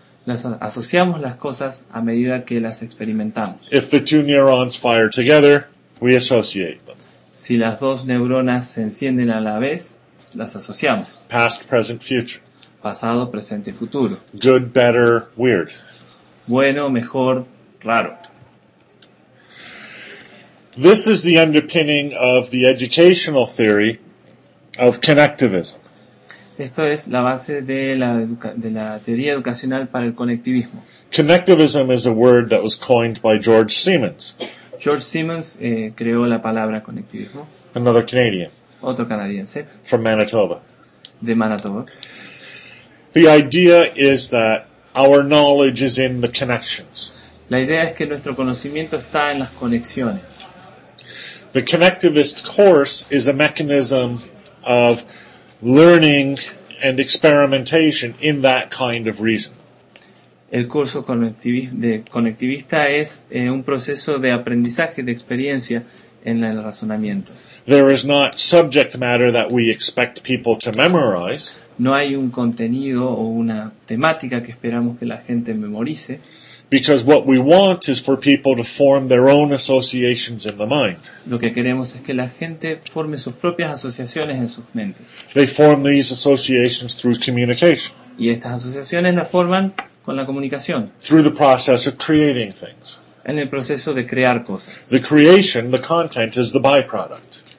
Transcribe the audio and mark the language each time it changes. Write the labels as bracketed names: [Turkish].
[Spanish] Las asociamos las cosas a medida que las experimentamos. [English] If the two neurons fire together, we associate them. [Spanish] Si las dos neuronas se encienden a la vez, las asociamos. [English] Past, present, future. [Spanish] Pasado, presente, futuro. [English] Good, better, weird. [Spanish] Bueno, mejor, raro. [English] This is the underpinning of the educational theory of connectivism. [Spanish] Esto es la base de la teoría educacional para el conectivismo. [English] Connectivism is a word that was coined by George Simmons. [Spanish] George Simmons creó la palabra conectivismo. [English] Another Canadian. [Spanish] Otro canadiense. [English] From Manitoba. [Spanish] De Manitoba. [English] The idea is that our knowledge is in the connections. [Spanish] La idea es que nuestro conocimiento está en las conexiones. [English] The connectivist course is a mechanism of learning and experimentation in that kind of reason. [Spanish] El curso de conectivista es un proceso de aprendizaje, de experiencia en el razonamiento. [English] There is not subject matter that we expect people to memorize. [Spanish] No hay un contenido o una temática que esperamos que la gente memorice. [English] Because what we want is for people to form their own associations in the mind. [Spanish] Lo que queremos es que la gente forme sus propias asociaciones en sus mentes. [English] They form these associations through communication. [Spanish] Y estas asociaciones las forman con la comunicación. [English] Through the process of creating things. [Spanish] En el proceso de crear cosas. [English] The creation, the content, is the byproduct.